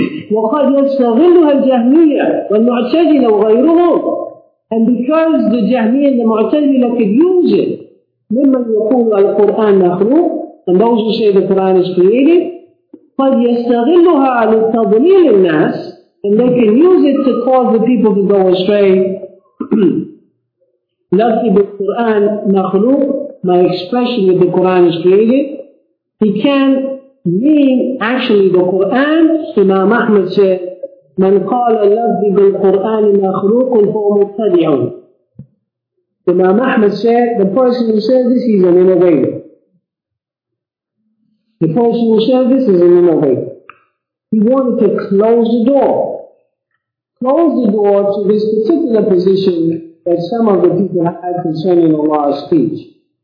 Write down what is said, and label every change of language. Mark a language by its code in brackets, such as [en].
[ar] وَقَدْ يَسْتَغِلُّهَا الْجَهْمِيَّةَ وَالْمُعْتَزِلَ وَغَيْرُهُمْ, [en] and because the Jahmiyyah and the Mu'tazila could use it, [ar] مِمَّنْ يَقُولُ الْقُرْآنَ مَخْلُوقٌ, [en] and those who say the Quran is created, [ar] قَدْ يَسْتَغِلُّهَا لِلْتَضْلِيلِ النَّاسِ, [en] and they can use it to cause the people to go astray. [ar] لَفْتِ بِالْقُرْآنِ مَخْلُوقٌ, my expression with the Quran is created. [en] He can mean actually the Quran. Imam Ahmad said, [ar] من قال لفظي بالقرآن مخلوق هو مبتدع. [en] Imam Ahmad said, the person who says this is an innovator. The person who says this is an innovator. He wanted to close the door. Close the door to this particular position that some of the people had concerning Allah's speech.